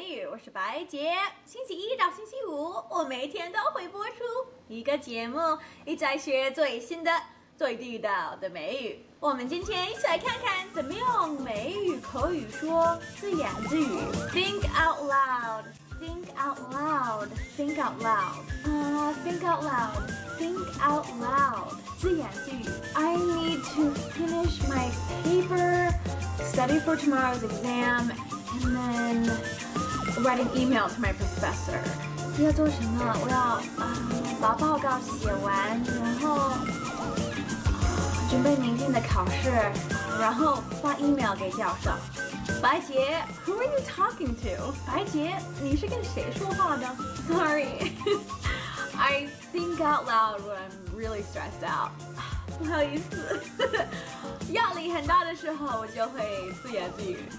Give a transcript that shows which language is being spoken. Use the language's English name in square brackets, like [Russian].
[Chinese] 我是白洁，星期一到星期五，我每天都会播出一个节目，一起来学最新的、最地道的美语。我们今天一起来看看怎么用美语口语说自言自语。 [English] Think out loud, think out loud, think out loud, think out loud, think out loud, [Chinese] 自言自语。 [English] I need to finish my paper, study for tomorrow's exam, and then. write an email to my professor. [Chinese] 要做什么？我要把报告写完，然后准备明天的考试，然后发 email 给教授。白洁 ， [English] Who are you talking to？ [Chinese] 白洁，你是跟谁说话呢 [English] ？Sorry， I think out loud when I'm really stressed out。 [Chinese] 不好意思，压力很大的时候我就会自言自语